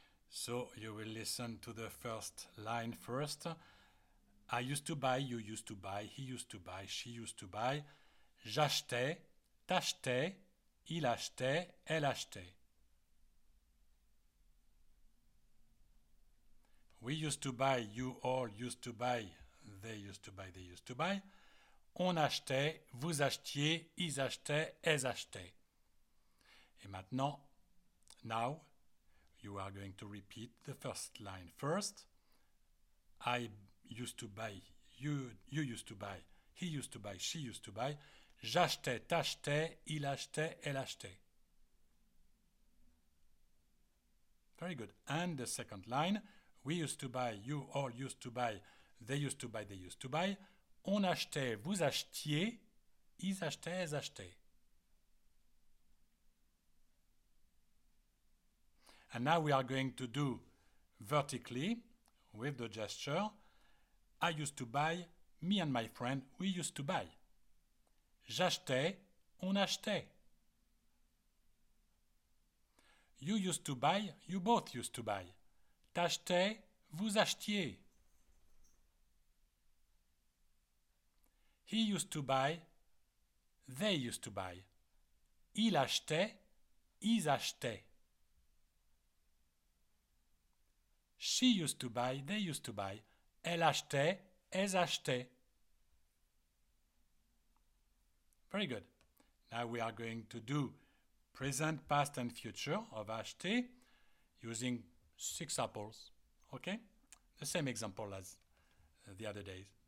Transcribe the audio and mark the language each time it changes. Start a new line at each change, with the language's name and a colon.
English: So you will listen to the first line first. I used to buy, you used to buy, he used to buy, she used to buy.
French: J'achetais, t'achetais, il achetait, elle achetait.
English: We used to buy, you all used to buy, they used to buy, they used to buy.
French: On achetait, vous achetiez, ils achetaient, elles achetaient. Et maintenant,
English: now, you are going to repeat the first line first. I used to buy, you used to buy, he used to buy, she used to buy.
French: J'achetais, t'achetais, il achetait, elle achetait.
English: Very good. And the second line, we used to buy, you all used to buy, they used to buy, they used to buy.
French: On achetait, vous achetiez, ils achetaient, elles achetaient.
English: And now we are going to do vertically with the gesture. I used to buy, me and my friend, we used to buy.
French: J'achetais, on achetait.
English: You used to buy, you both used to buy.
French: T'achetais, vous achetiez.
English: He used to buy, they used to buy.
French: Il achetait, ils achetaient.
English: She used to buy, they used to buy.
French: Elle achetait, elles achetaient.
English: Very good. Now we are going to do present, past and future of acheter using six apples. Okay? The same example as the other days.